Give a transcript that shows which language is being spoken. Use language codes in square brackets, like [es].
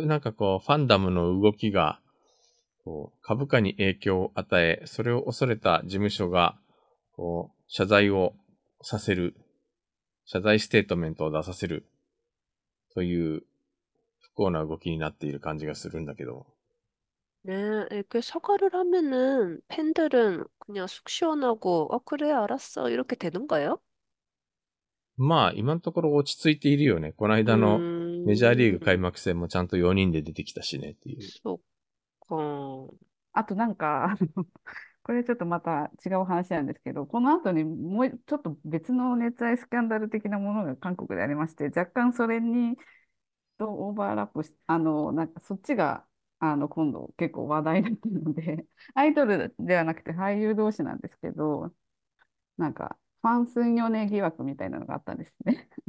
[ja] うなんかファンダムの動きが株価に影響を与え、それを恐れた事務所が謝罪をさせる、謝罪ステートメントを出させるという不幸な動きになっている感じがするんだけど。 [ko] ねえ、그 사과를 하면은 팬들은 그냥 속 시원하고 그래 알았어 이렇게 되는 거예요? [ja] まあ、今のところ落ち着いているよね。この間のメジャーリーグ開幕戦もちゃんと4人で出てきたしねっていう。そっか。あとなんか、これちょっとまた違う話なんですけど、この後にもうちょっと別の熱愛スキャンダル的なものが韓国でありまして、若干それにとオーバーラップし、なんかそっちが今度結構話題になってるので、アイドルではなくて俳優同士なんですけど、なんかファン・スンヨネ疑惑みたいなのがあったんですね。